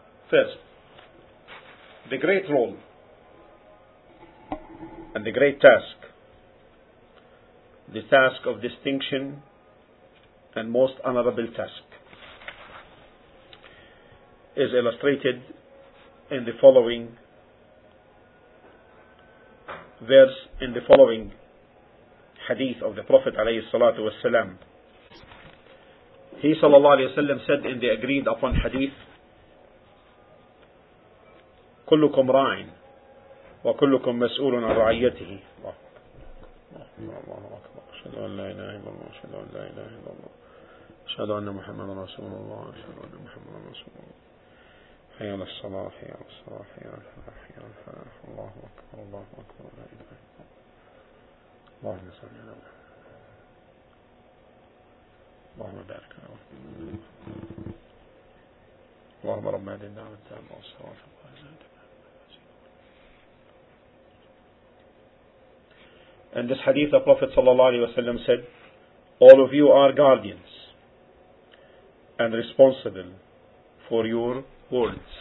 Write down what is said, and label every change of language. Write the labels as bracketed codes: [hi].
[en] First, the great role and the great task, the task of distinction and most honorable task, is illustrated in the following verse, in the following hadith of the Prophet [ar] عليه الصلاة والسلام. [en] He [ar] صلى الله عليه وسلم [en] said in the agreed upon hadith, [ar] كلكم راع وكلكم مسؤول عن رعيته. الله أكبر. أشهد أن لا إله إلا الله. أشهد أن لا إله إلا الله. أشهد أن محمد رسول الله. أشهد أن محمد رسول الله. حي على الصلاة. حي على الصلاة. حي على الفلاح. حي على الفلاح. الله أكبر. الله أكبر. لا إله إلا الله. اللهم صل على محمد. اللهم بارك على محمد. اللهم رب هذه الدعوة التامة والصلاة القائمة. [en] In this hadith, the Prophet ﷺ said, all of you are guardians and responsible for your words.